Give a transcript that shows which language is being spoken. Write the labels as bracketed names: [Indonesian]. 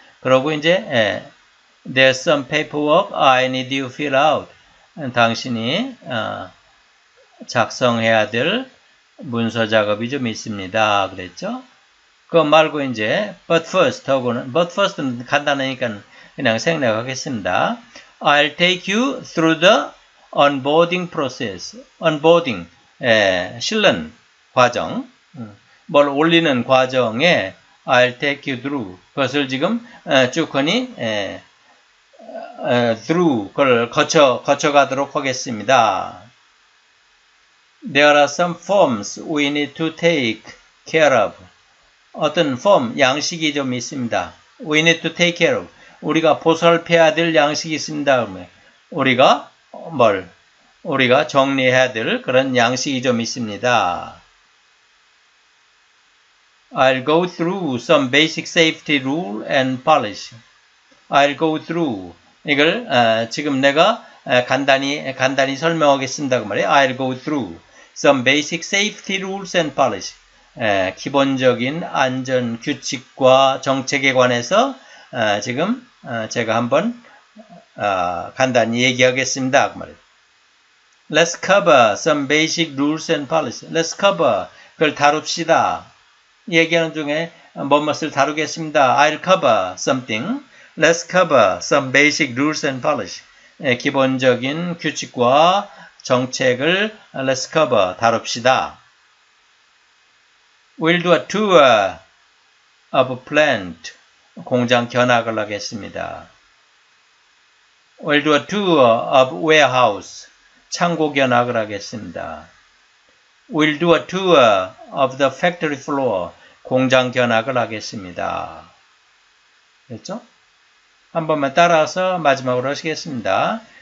[Korean] 그러고 이제 [English] There's some paperwork I need you fill out. [Korean] 당신이 작성해야 될 문서 작업이 좀 있습니다. 그랬죠? 그거 말고 이제 [English] but first [Korean] 하고는 but first는 간단하니까 그냥 생략하겠습니다. [English] I'll take you through the onboarding process. [Korean] onboarding 실는 과정 뭘 올리는 과정에 [English] I'll take you through [Korean] 그것을 지금 쭉 하니 through 그걸 거쳐가도록 하겠습니다. [English] There are some forms we need to take care of. [Korean] 어떤 [English] form, [Korean] 양식이 좀 있습니다. [English] We need to take care of. [Korean] 우리가 보살펴야 될 양식이 있습니다. 우리가 뭘? 우리가 정리해야 될 그런 양식이 좀 있습니다. [English] I'll go through some basic safety rule and policy. I'll go through. [Korean] 이걸 지금 내가 간단히 설명하겠습니다. 그 말이에요. [English] I'll go through. Some basic safety rules and policy. [Korean] 기본적인 안전 규칙과 정책에 관해서 지금 제가 한번 간단히 얘기하겠습니다. 그 말이에요. [English] Let's cover some basic rules and policy. Let's cover. [Korean] 그걸 다룹시다. 얘기하는 중에 무엇을 다루겠습니다. [English] I'll cover something. Let's cover some basic rules and policy. [Korean] 기본적인 규칙과 정책을 [English] let's cover [Korean] 다룹시다. [English] We'll do a tour of a plant. [Korean] 공장 견학을 하겠습니다. [English] We'll do a tour of warehouse. [Korean] 창고 견학을 하겠습니다. [English] We'll do a tour of the factory floor. [Korean] 공장 견학을 하겠습니다. 됐죠? 한 번만 따라서 마지막으로 하시겠습니다.